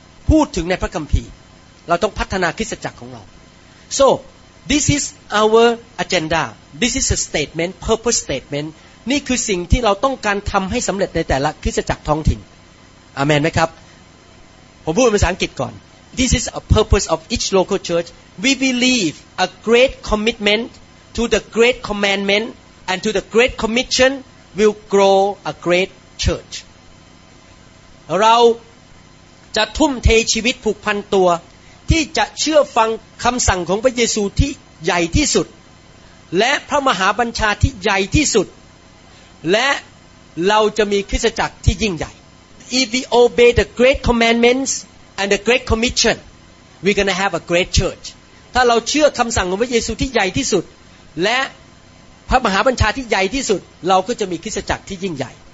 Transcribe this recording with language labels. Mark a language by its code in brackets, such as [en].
[th] พูดถึงในพระคัมภีร์เราต้องพัฒนาคริสตจักรของเรา [en] so this is our agenda this is a statement purpose statement [th] นี่คือสิ่งที่เราต้องการทำให้สำเร็จในแต่ละคริสตจักรท้องถิ่นอาเมนไหมครับผมพูดภาษาอังกฤษก่อน [en] This is a purpose of each local church. We believe a great commitment to the great commandment and to the great commission will grow a great church. [th] เราจะทุ่มเทชีวิตผูกพันตัวที่จะเชื่อฟังคำสั่งของพระเยซูที่ใหญ่ที่สุดและพระมหาบัญชาที่ใหญ่ที่สุด และเราจะมีคริสตจักรที่ยิ่งใหญ่ [en] If we obey the great commandments and the great commission we're going to have a great church [th] ถ้าเราเชื่อคำสั่งของพระเยซูที่ใหญ่ที่สุดและพระมหาบัญชาที่ใหญ่ที่สุดเราก็จะมีคริสตจักรที่ยิ่งใหญ่